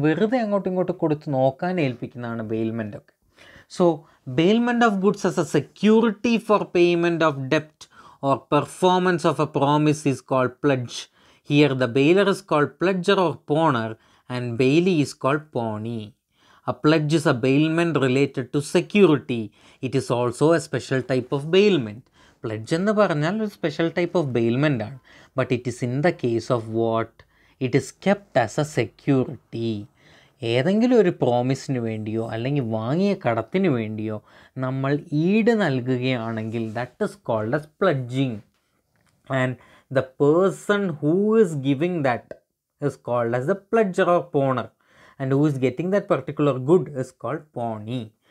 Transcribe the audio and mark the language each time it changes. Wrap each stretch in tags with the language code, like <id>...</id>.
<ml>വെറുതെ അങ്ങോട്ടും ഇങ്ങോട്ടും കൊടുത്ത് നോക്കാൻ ഏൽപ്പിക്കുന്നതാണ് ബെയിൽമെൻ്റ് ഒക്കെ.</ml> <en>So bailment of goods as A security for payment of ഡെപ്റ്റ് or performance of A promise is called pledge. Here the baler is called pledger or പോണർ and Bailey is called പോണി. A pledge is a bailment related to security. It is also a special type of bailment.</en> <ml>Pledge എന്ന് പറഞ്ഞാൽ ഒരു special type of bailment ആണ്.</ml> <en>But it is in the case of what? It is kept as a security.</en> <ml>ഏതെങ്കിലും ഒരു പ്രോമിസിന് വേണ്ടിയോ അല്ലെങ്കിൽ വാങ്ങിയ കടത്തിന് വേണ്ടിയോ നമ്മൾ ഈട് നൽകുകയാണെങ്കിൽ</ml> <en>That is called as pledging and the person who is giving that is called as a pledger or pawnor and who is getting that particular good is called pawnee.</en>